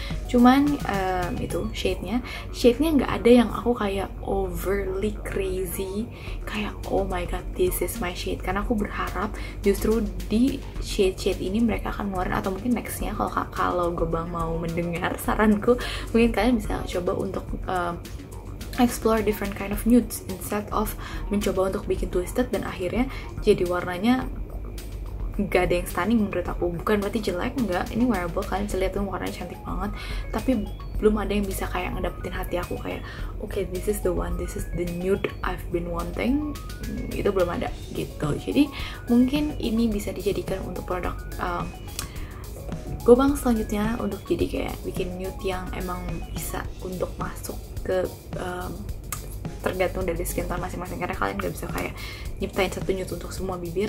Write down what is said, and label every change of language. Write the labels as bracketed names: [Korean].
[Indonesian] Cuman itu shade-nya nggak ada yang aku kayak [English] overly crazy [Indonesian] kayak [English] oh my god this is my shade, [Indonesian] karena aku berharap justru di shade-shade ini mereka akan ngeluarin, atau mungkin next-nya kalau Gobang mau mendengar saranku, mungkin kalian bisa coba untuk [English] explore different kind of nudes instead of [Indonesian] mencoba untuk bikin twisted dan akhirnya jadi warnanya gak ada yang stunning menurut aku. Bukan berarti jelek, enggak. Ini wearable, kalian bisa lihat tuh warnanya cantik banget. Tapi belum ada yang bisa kayak ngedapetin hati aku kayak [English] okay, this is the one, this is the nude I've been wanting. [Indonesian] Itu belum ada gitu. Jadi mungkin ini bisa dijadikan untuk produk Gobang selanjutnya, untuk jadi kayak bikin nude yang emang bisa untuk masuk ke tergantung dari skin tone masing-masing, karena kalian gak bisa kayak nyiptain satu nude untuk semua bibir.